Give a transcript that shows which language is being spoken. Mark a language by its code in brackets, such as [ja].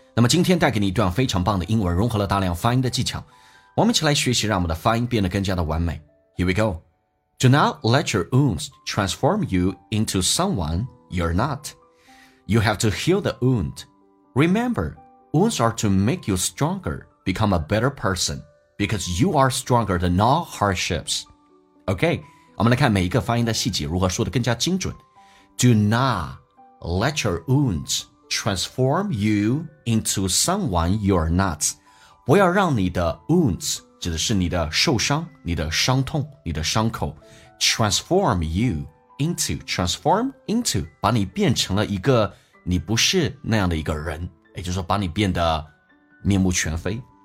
[zh] 那么今天带给你一段非常棒的英文，融合了大量发音的技巧，我们一起来学习，让我们的发音变得更加的完美。 [en] Here we go. Do not let your wounds transform you into someone you're not. You have to heal the wound. Remember, wounds are to make you stronger, become a better person, because you are stronger than all hardships. [zh] OK, 我们来看每一个发音的细节，如何说得更加精准。 [en] Do notLet your wounds transform you into someone you're not. [zh] 不要让你的 wounds, 指的是你的受伤、你的伤痛、你的伤口 [en] transform you into, transform into, [zh] 把你变成了一个你不是那样的一个人，也就是说把你变得面目全非。